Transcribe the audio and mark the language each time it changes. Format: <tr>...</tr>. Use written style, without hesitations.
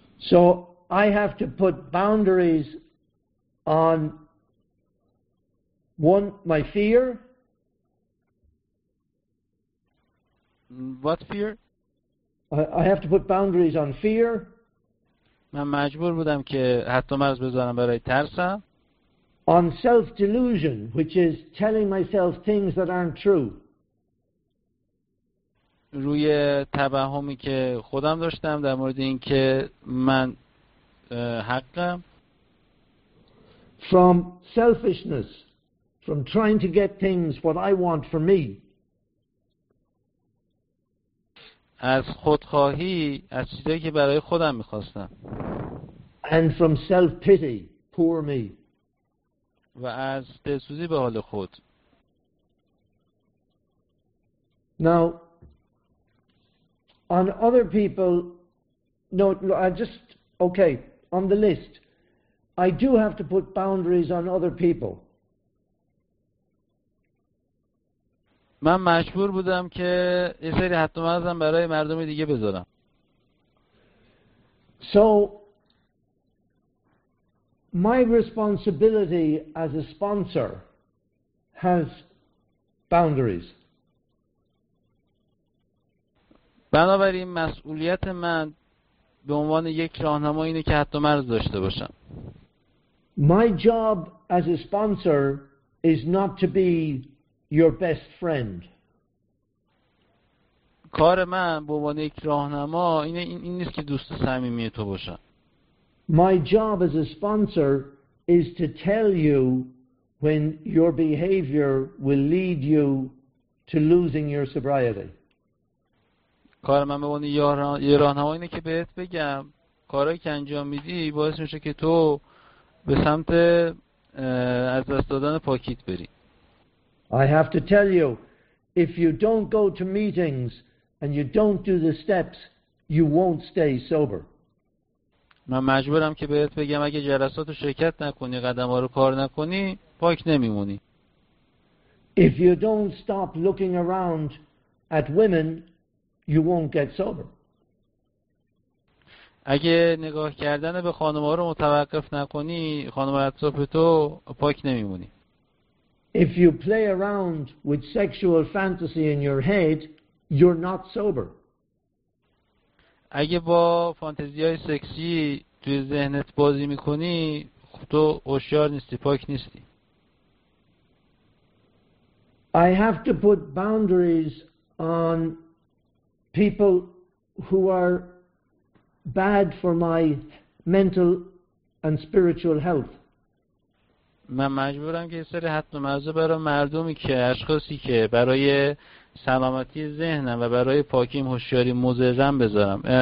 <en>So I have to put boundaries on one my fear. What fear? I have to put boundaries on fear.</en> <fa>من مجبور بودم که حتی مرز بذارم برای ترسم.</fa> <en>On self-delusion, which is telling myself things that aren't true.</en> <fa>روی توهمی که خودم داشتم در مورد این که من حقم.</fa> <en>From selfishness, from trying to get things what I want for me.</en> <fa>از خودخواهی، از چیزایی که برای خودم میخواستم.</fa> <en>And from self-pity, poor me.</en> <fa>و از دلسوزی به حال خود.</fa> <en>Now, on other people, no, I just, okay, on the list, I do have to put boundaries on other people.</en> <fa>من مجبور بودم که یه سری حد و مرزم برای مردم دیگه بذارم.</fa> <en>So, my responsibility as a sponsor has boundaries.</en> <fa>بنابراین مسئولیت من به عنوان یک راهنما اینه که حد و مرز داشته باشم.</fa> <en>My job as a sponsor is not to be your best friend.</en> <fa>کار من به عنوان یک راهنما اینه این نیست که دوست صمیمی تو باشم.</fa> <en>My job as a sponsor is to tell you when your behavior will lead you to losing your sobriety.</en> <fa>کار من به عنوان یه راهنما اینه که بهت بگم کارهایی که انجام میدی باعث میشه که تو به سمت از دست دادن پاکیت بری.</fa> <en>I have to tell you, if you don't go to meetings and you don't do the steps, you won't stay sober.</en> <fa>من مجبورم که بهت بگم اگه جلسات رو شرکت نکنی، قدم‌ها رو کار نکنی، پاک نمیمونی.</fa> <en>If you don't stop looking around at women, you won't get sober.</en> <fa>اگه نگاه کردن به خانم‌ها رو متوقف نکنی، خانم‌های اطراف تو پاک نمیمونی.</fa> <en>If you play around with sexual fantasy in your head, you're not sober.</en> <fa>اگه با فانتزی‌های سکسی توی ذهنت بازی می‌کنی، تو هوشیار نیستی، پاک نیستی.</fa> <en>I have to put boundaries on people who are bad for my mental and spiritual health.</en> <fa>من مجبورم که یه سری حد و مرزا برای مردمی که اشخاصی که برای سلامتی ذهنم و برای پاکیم هوشیاری مضرم بذارم.</fa>